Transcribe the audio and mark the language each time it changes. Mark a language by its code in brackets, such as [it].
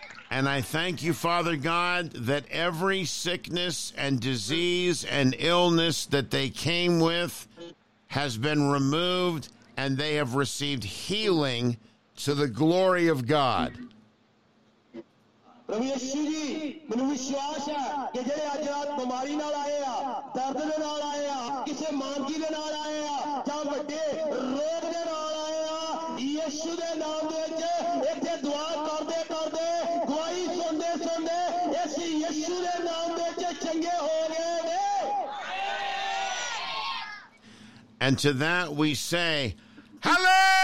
[en] And I thank you, Father God, that every sickness and disease and illness that they came with has been removed and they have received healing to the glory of God. [pa] ਪ੍ਰਭੂ ਯਿਸੂ ਜੀ ਮੈਨੂੰ ਵਿਸ਼ਵਾਸ ਹੈ ਕਿ ਜਿਹੜੇ ਅੱਜ ਰਾਤ ਬਿਮਾਰੀ ਨਾਲ ਆਏ ਆ ਦਰਦ ਦੇ ਨਾਲ ਆਏ ਆ ਕਿਸੇ ਮਾਨਗੀ ਦੇ ਨਾਲ ਆਏ ਆ ਜਾਂ ਵੱਡੇ ਰੋਗ ਦੇ ਨਾਲ ਆਏ ਆ ਯਿਸੂ ਦੇ ਨਾਮ ਦੇ ਵਿੱਚ ਇੱਥੇ ਦੁਆ ਕਰਦੇ ਕਰਦੇ ਗਵਾਹੀ ਸੁਣਦੇ ਸੁਣਦੇ ਇਸ ਯਿਸੂ ਦੇ ਨਾਮ ਦੇ ਵਿੱਚ ਚੰਗੇ ਹੋ ਗਏ ਨੇ [en] And to that we say, Hallelujah!